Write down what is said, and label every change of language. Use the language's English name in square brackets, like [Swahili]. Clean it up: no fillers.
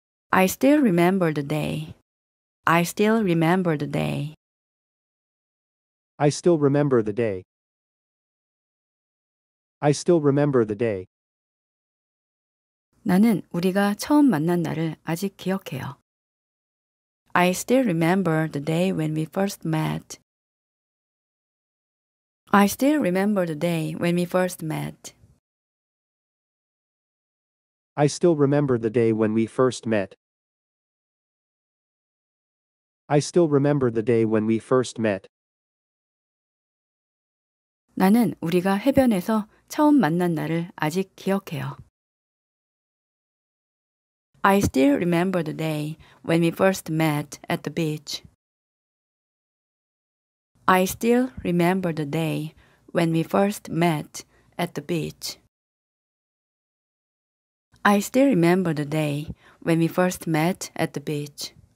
[English] I still remember the day. I still remember the day. I still remember the day. I still remember the day. [Korean] 나는 우리가 처음 만난 날을 아직 기억해요. [English] I still remember the day when we first met. I still remember the day when we first met. I still remember the day when we first met. I still remember the day when we first met. [Korean] 나는 우리가 해변에서 처음 만난 날을 아직 기억해요. [English] I still remember the day when we first met at the beach. I still remember the day when we first met at the beach. I still remember the day when we first met at the beach.